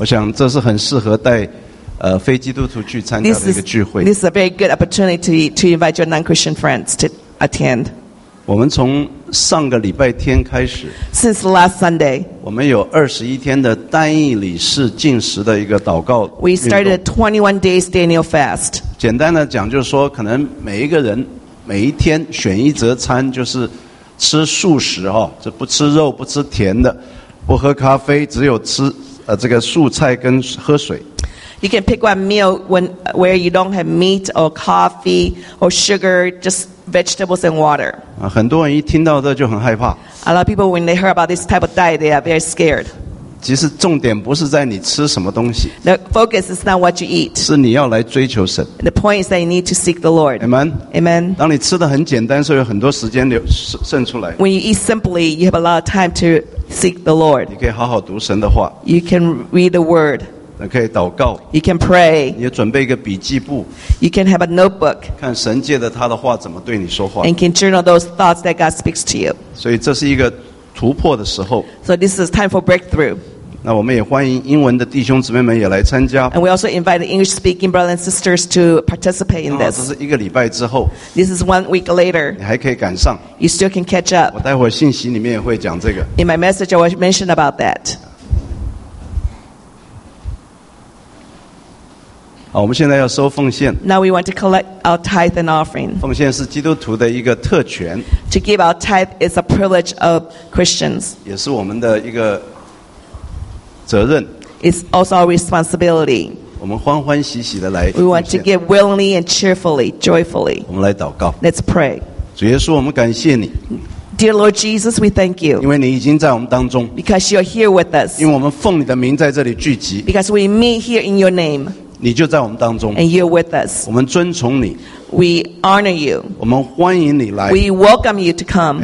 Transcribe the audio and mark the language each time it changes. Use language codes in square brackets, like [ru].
[zh] 我想这是很适合带非基督徒去参加的一个聚会。 [en] This is a very good opportunity to invite your non-Christian friends to attend. [zh] 我们从上个礼拜天开始 [en] Since last Sunday [zh] 我们有21天的单一礼式禁食的一个祷告 [en] We started a 21 days Daniel fast [zh] 简单的讲就是说可能每一个人每一天选一则餐就是吃素食哦，就不吃肉不吃甜的不喝咖啡只有吃这个素菜跟喝水 [en] You can pick one meal where you don't have meat or coffee or sugar, just vegetables and water. [zh] 很多人一听到这就很害怕。 [en] A lot of people, when they hear about this type of diet, they are very scared. [zh] 其实重点不是在你吃什么东西。 [en] The focus is not what you eat. [zh] 是你要来追求神。 [en] The point is that you need to seek the Lord. Amen. Amen. [zh] 当你吃得很简单，所以有很多时间流剩出来。 [en] When you eat simply, you have a lot of time to seek the Lord. [zh] 你可以好好读神的话。 [en] You can read the word. [zh] 可以祷告 [en] You can pray. [zh] 你也准备一个笔记簿 [en] You can have a notebook. [zh] 看神借着他的话怎么对你说话 [en] And can journal those thoughts that God speaks to you. [zh] 所以这是一个突破的时候 [en] So this is time for breakthrough. [zh] 那我们也欢迎英文的弟兄姊妹们也来参加 [en] And we also invite the English-speaking brothers and sisters to participate in this. [zh] 这是一个礼拜之后 [en] This is 1 week later. [zh] 你还可以赶上 [en] You still can catch up. [zh] 我待会儿信息里面也会讲这个 [en] In my message, I will mention about that. [zh] 好我们现在要收奉献 [en] Now we want to collect our tithe and offering [zh] 奉献是基督徒的一个特权 [en] To give our tithe is a privilege of Christians [zh] 也是我们的一个责任 [en] It's also our responsibility [zh] 我们欢欢喜喜的来 [en] We want to give willingly and cheerfully, joyfully [zh] 我们来祷告 [en] Let's pray [zh] 主耶稣我们感谢你 [en] Dear Lord Jesus, we thank you [zh] 因为你已经在我们当中 [en] Because you're here with us [zh] 因为我们奉你的名在这里聚集 [en] Because we meet here in your name [zh] 你就在我们当中 [en] And you're with us [zh] 我们尊崇你 [en] We honor you [zh] 我们欢迎你来 [en] We welcome you to come